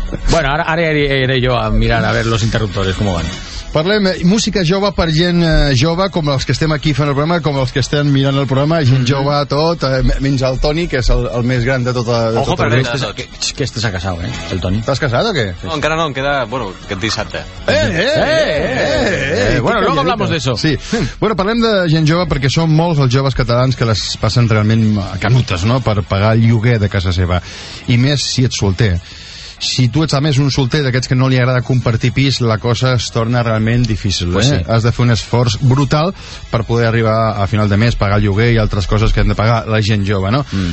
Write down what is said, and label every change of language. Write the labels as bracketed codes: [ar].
[ca] Bueno, ara aniré jo a mirar a veure [es] los interruptores, [ca] com van. Parlem música jove per gent jove, com els que estem aquí fent el programa, com els que estem mirant el programa, gent jove a tot, menys el Toni, que és el més gran de tot el grup. Ojo, perdó, que este s'ha casat, el Toni. T'has casat o què? No, encara no, queda, bueno, aquest dissabte. [es] Bueno, luego hablamos de eso. Sí. [ca] Bueno, parlem de gent jove perquè són molts els joves catalans que les passen realment canutes, no?, per pagar el lloguer de casa seva. I més si ets solter. Si tu ets, a més, un solter d'aquests que no li agrada compartir pis, la cosa es torna realment difícil. [es] Pues sí. [ca] Has de fer un esforç brutal per poder arribar a final de mes, pagar el lloguer i altres coses que han de pagar la gent jove, no?